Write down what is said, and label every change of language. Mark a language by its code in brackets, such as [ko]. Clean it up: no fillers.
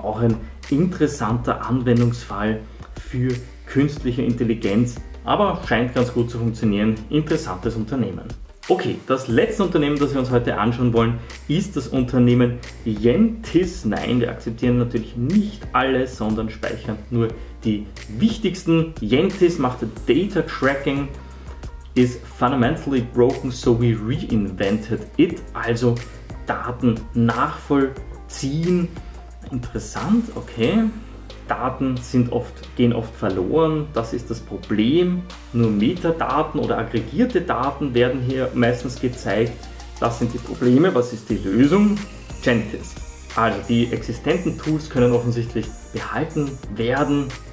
[de] Auch ein interessanter Anwendungsfall für künstliche Intelligenz, aber scheint ganz gut zu funktionieren. Interessantes Unternehmen. Okay, das letzte Unternehmen, das wir uns heute anschauen wollen, ist das Unternehmen Yentis. Nein, wir akzeptieren natürlich nicht alles, sondern speichern nur die wichtigsten. Yentis macht Data Tracking, [en] is fundamentally broken, so we reinvented it. [de] Also Daten nachvollziehen. Interessant, okay. Daten gehen oft verloren, das ist das Problem. Nur Metadaten oder aggregierte Daten werden hier meistens gezeigt. Das sind die Probleme, was ist die Lösung? Gentis. Also die existenten Tools können offensichtlich behalten werden.